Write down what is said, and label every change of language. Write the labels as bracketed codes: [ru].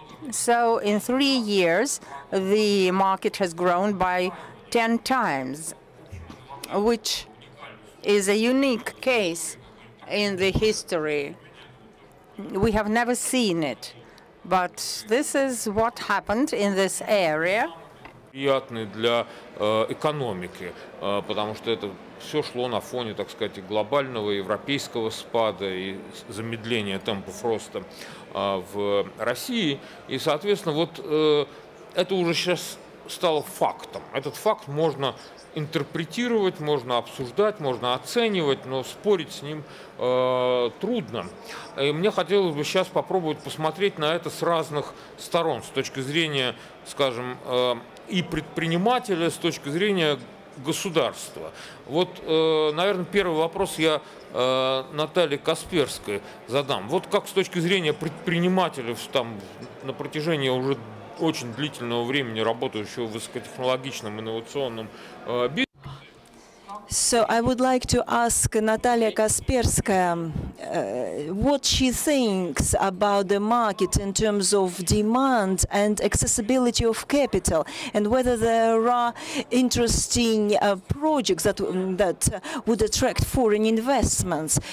[en] So in 3 years, the market has grown by 10 times, which is a unique case in the history. We have never seen it, but this is what happened in this area. [ru] Приятный для экономики, потому что это все шло на фоне, так сказать, и глобального европейского спада и замедления темпов роста в России, и, соответственно, вот это уже сейчас стало фактом. Этот факт можно интерпретировать, можно обсуждать, можно оценивать, но спорить с ним трудно. И мне хотелось бы сейчас попробовать посмотреть на это с разных сторон, с точки зрения, скажем, и предпринимателя, с точки зрения государства. Вот, наверное, первый вопрос я Наталье Касперской задам. Вот как с точки зрения предпринимателя там, на протяжении уже очень длительного времени работающего в высокотехнологичном инновационном [en] So I would like to ask Natalia Kaspersky what she thinks about the market in terms of demand and accessibility of capital, and whether there are interesting projects that would attract foreign investments.